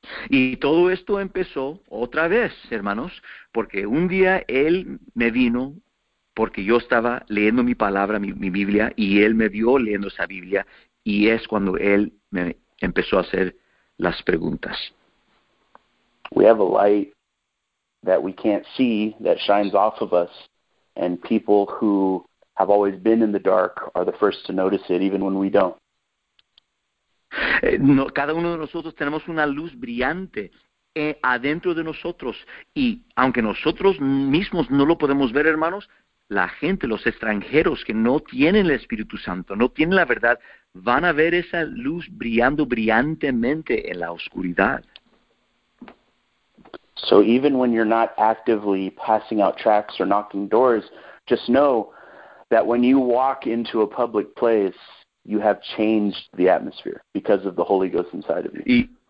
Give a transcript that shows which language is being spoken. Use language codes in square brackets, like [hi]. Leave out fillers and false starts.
[es] Y todo esto empezó otra vez, hermanos, porque un día él me vino porque yo estaba leyendo mi palabra, mi Biblia, y él me vio leyendo esa Biblia, y es cuando él me empezó a hacer las preguntas. [en] We have a light that we can't see that shines off of us, and people who have always been in the dark are the first to notice it, even when we don't. [es] No, cada uno de nosotros tenemos una luz brillante adentro de nosotros y aunque nosotros mismos no lo podemos ver, hermanos, la gente, los extranjeros que no tienen el Espíritu Santo, no tienen la verdad, van a ver esa luz brillando brillantemente en la oscuridad. [en] So even when you're not actively passing out tracts or knocking doors, just know that when you walk into a public place, you have changed the atmosphere because of the Holy Ghost inside of you.